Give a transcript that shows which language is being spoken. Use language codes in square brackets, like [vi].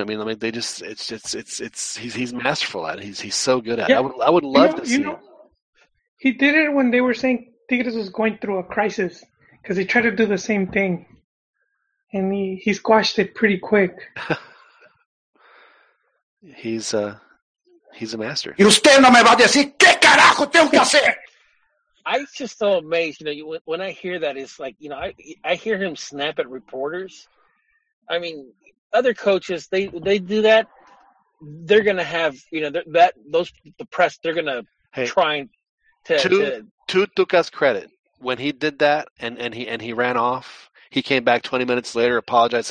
[en] I mean, they just he's masterful at it. He's so good at it. Yeah. I would love to see. You know, he did it when they were saying Tigres was going through a crisis because he tried to do the same thing, and he squashed it pretty quick. he's a master. [es] Y usted no me va a decir qué carajo tengo que hacer. [en] I'm just so amazed, you know. When I hear that, it's like, you know, I hear him snap at reporters. I mean, other coaches, they do that. They're gonna have, you know, the press, they're gonna try and to Tuca's credit, when he did that and he ran off, he came back 20 minutes later, apologized.